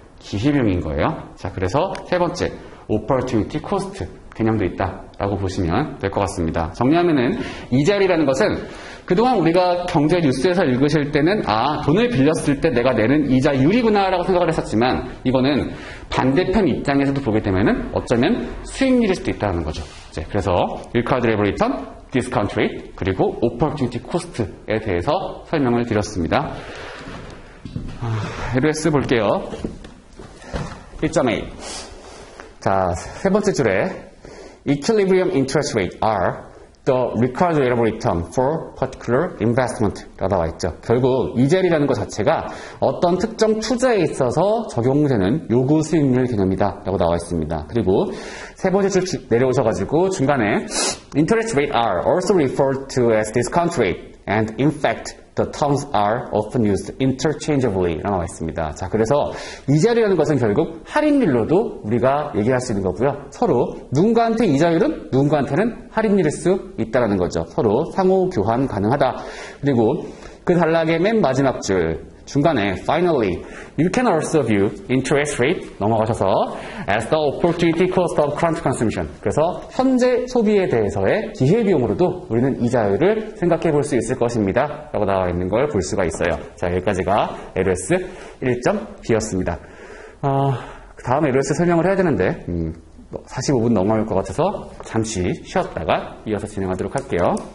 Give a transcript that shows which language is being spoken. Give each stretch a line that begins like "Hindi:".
Korean: 기회비용인 거예요. 자, 그래서 세 번째, opportunity cost 개념도 있다 라고 보시면 될 것 같습니다. 정리하면은 이자율이라는 것은 그동안 우리가 경제 뉴스에서 읽으실 때는 아, 돈을 빌렸을 때 내가 내는 이자율이구나 라고 생각을 했었지만 이거는 반대편 입장에서도 보게 되면은 어쩌면 수익률일 수도 있다는 거죠. 이제 그래서 required rate of return, discount rate 그리고 opportunity cost에 대해서 설명을 드렸습니다. LS 볼게요. 1.A. 자, 세 번째 줄에
English: Equilibrium interest rate R, the required rate of return for particular investment
Korean: 라고 나와 있죠. 결국 이자율이라는 것 자체가 어떤 특정 투자에 있어서 적용되는 요구 수익률 개념이다 라고 나와 있습니다. 그리고 세 번째 줄 내려오셔가지고 중간에
English: interest rate R also referred to as discount rate and in fact the terms are often used interchangeably
Korean: 라고 나와 있습니다. 자, 그래서 이자율이라는 것은 결국 할인율로도 우리가 얘기할 수 있는 거고요. 서로 누군가한테 이자율은 누군가한테는 할인율일 수 있다는 거죠. 서로 상호 교환 가능하다. 그리고 그 단락의 맨 마지막 줄 중간에
English: finally you can also view interest rate
Korean: 넘어가셔서
English: as the opportunity cost of current consumption.
Korean: 그래서 현재 소비에 대해서의 기회 비용으로도 우리는 이자율을 생각해 볼 수 있을 것입니다. 라고 나와 있는 걸 볼 수가 있어요. 자, 여기까지가 LS 1.2였습니다. 다음 LS 설명을 해야 되는데 45분 넘어갈 것 같아서 잠시 쉬었다가 이어서 진행하도록 할게요.